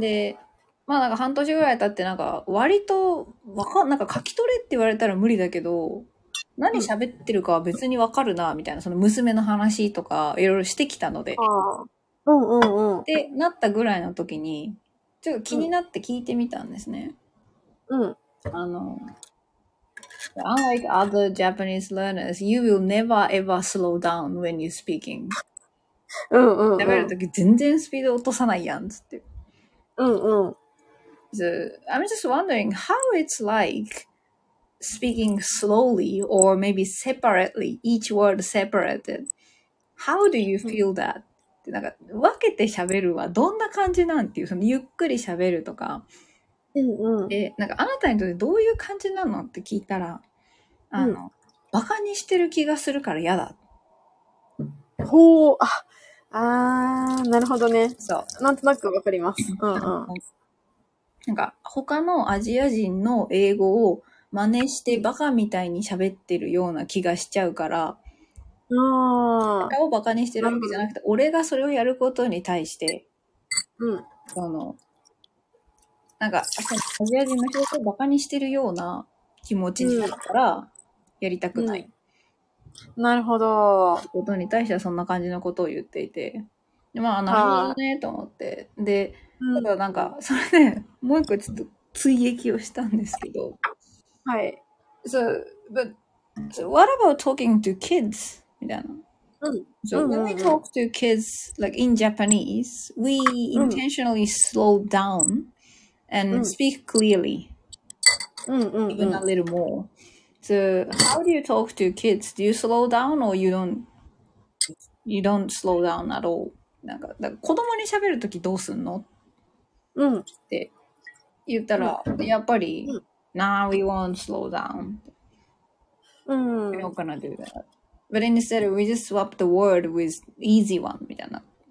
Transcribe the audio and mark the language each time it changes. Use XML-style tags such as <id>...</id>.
<ja>で、まあなんか半年ぐらい経ってなんか割とわかん、なんか書き取れって言われたら無理だけど、何喋ってるかは別にわかるな、みたいな、その娘の話とかいろいろしてきたので。うんうんうん。ってなったぐらいの時に、ちょっと気になって聞いてみたんですね。</ja> <en>Unlike other Japanese learners, you will never ever slow down when you're speaking.</en> <ja>うんうん。喋るとき全然スピード落とさないやん、つって。うんうん。</ja> <en>So, I'm just wondering how it's like speaking slowly or maybe separately, each word separated. How do you feel that?</en> <ja>ってなんか分けて喋るはどんな感じなんていう、そのゆっくり喋るとか。うんうん、え、なんかあなたにとってどういう感じなのって聞いたら、バカにしてる気がするから嫌だ。ほう、なるほどね。そう。なんとなくわかります。うんうん。なんか他のアジア人の英語を真似してバカみたいに喋ってるような気がしちゃうから、ああ。他をバカにしてるわけじゃなくて、俺がそれをやることに対して、うん。なんか、アジア人の人をバカにしてるような気持ちになったら、やりたくない。うん、なるほど。ことに対してはそんな感じのことを言っていて。まあ、なるほどね、と思って。で、ただなんか、それで、ね、もう一個ちょっと追撃をしたんですけど。はい。</ja> <en>So, but, so what about talking to kids?</en> <ja>みたいな。うん、</ja> <en>so when we talk to kids, like in Japanese, we intentionally slow down. And speak clearly, even a little more. So, how do you talk to kids? Do you slow down or you don't slow down at all?</en> <ja>なんか、だから子供に喋るときどうすんの？うん。って言ったら、やっぱり、</ja> <en>Nah, we won't slow down. We're not gonna do that. But instead, we just swap the word with easy one,</en> <ja>みたいな。</ja>